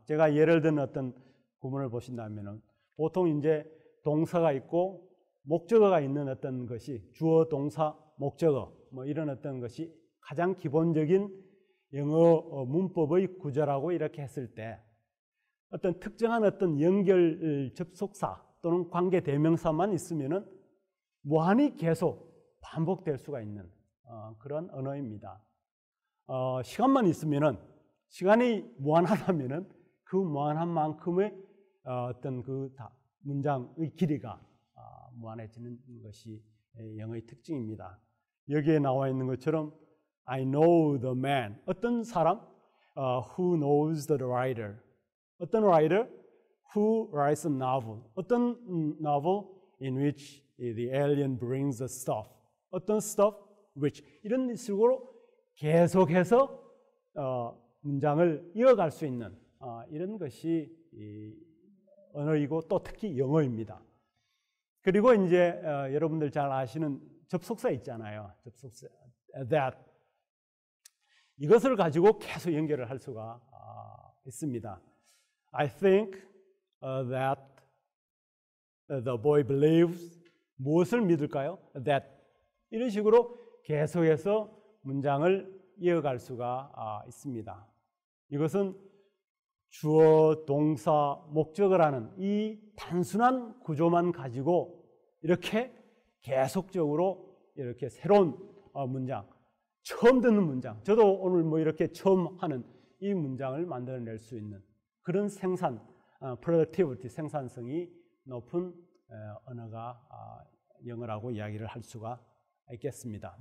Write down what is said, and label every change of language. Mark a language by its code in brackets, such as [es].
[ko] 제가 예를 든 어떤 구문을 보신다면은 보통 이제 동사가 있고 목적어가 있는 어떤 것이 주어, 동사, 목적어 뭐 이런 어떤 것이 가장 기본적인 영어 문법의 구조라고 이렇게 했을 때 어떤 특정한 어떤 연결 접속사 또는 관계 대명사만 있으면은 무한히 계속 반복될 수가 있는 그런 언어입니다. 시간만 있으면은 시간이 무한하다면은 그 무한한 만큼의 어떤 그 다 문장의 길이가 무한해지는 것이 영어의 특징입니다. 여기에 나와 있는 것처럼 [en] I know the man, [ko] 어떤 사람, [en] who knows the writer, 어떤 writer, who writes a novel, 어떤 novel in which the alien brings the stuff, 어떤 stuff, which, [ko] 이런 식으로 계속해서 문장을 이어갈 수 있는 이런 것이 언어이고 또 특히 영어입니다. 그리고 이제 여러분들 잘 아시는 접속사 있잖아요. 접속사 that. 이것을 가지고 계속 연결을 할 수가 있습니다. [en] I think that the boy believes. [ko] 무엇을 믿을까요? That. 이런 식으로 계속해서 문장을 이어갈 수가 있습니다. 이것은 주어, 동사, 목적을 하는 이 단순한 구조만 가지고 이렇게 계속적으로 이렇게 새로운 문장, 처음 듣는 문장, 저도 오늘 뭐 이렇게 처음 하는 이 문장을 만들어낼 수 있는 그런 생산, productivity, 생산성이 높은 언어가 영어라고 이야기를 할 수가 있겠습니다.